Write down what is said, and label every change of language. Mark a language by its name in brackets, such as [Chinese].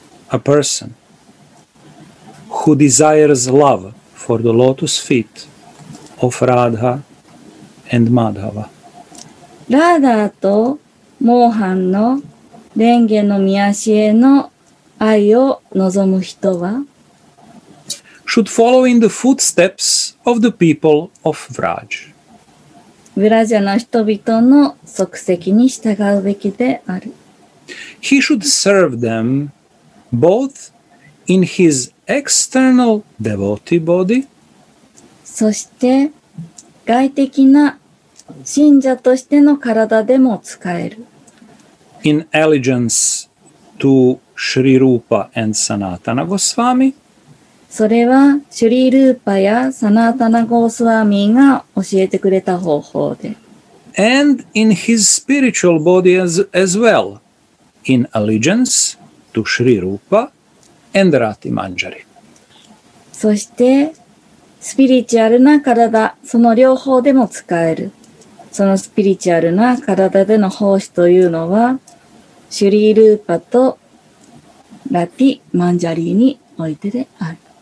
[English] A person who desires love for the lotus feet of Radha and Madhava. [Japanese] ラーダーとモーハンの蓮華の御足への愛を望む人は [English] should follow in the footsteps of the people of Vraj. [Japanese] ブラジャの人々の足跡に従うべきである。 [English] He should serve them both in his external devotee body. [Japanese] そして外的な信者としての体でも使える。 [English] in allegiance to Shri Rupa and Sanatana Goswami. [Japanese] それはシュリールーパやサナタナゴスワミが教えてくれた方法で。 [English] And in his spiritual body as well, in allegiance to Shri Rupa and Rati Manjari. [Japanese] そしてスピリチュアルな体、その両方でも使える。そのスピリチュアルな体での奉仕というのは、シュリールーパとラティ・マンジャリーにおいてである。